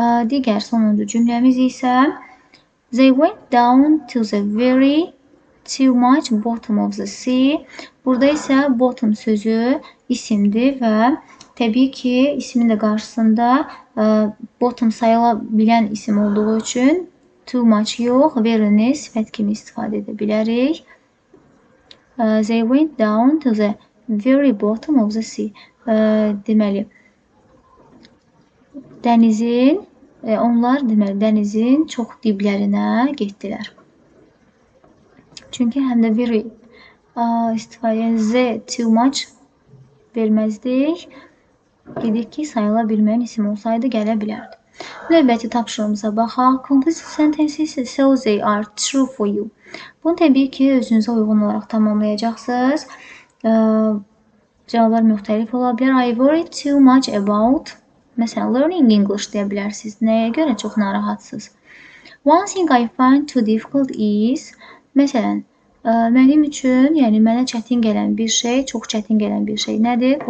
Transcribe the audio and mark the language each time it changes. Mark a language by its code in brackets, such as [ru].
[az] Digər sonuncu cümləmiz isə [en] They went down to the very too much bottom of the sea. [az] Burada isə bottom sözü isimdir və təbii ki, ismin də qarşısında bottom sayıla bilən isim olduğu üçün too much yox, very-ni sifət kimi istifadə edə bilərik. [en] They went down to the very bottom of the sea. [az] Deməli, dənizin, onlar deməli, dənizin çox diblərinə getdilər. Çünki həm də very istifadə edən the too much verməzdik. Dedik ki, sayıla bilməyən isim olsaydı gələ bilərdi. Növbəti tapşırığımıza baxaq. [en] Composite sentences, so they are true for you. [az] Bunu təbii ki, özünüzə uyğun olaraq tamamlayacaqsınız. Cavablar müxtəlif ola bilər. [en] I worry too much about, məsələn, learning English [az] deyə bilərsiniz. Nəyə görə çox narahatsınız? [en] One thing I find too difficult is, [az] məsələn, mənim üçün, yəni mənə çətin gələn bir şey, çox çətin gələn bir şey nədir?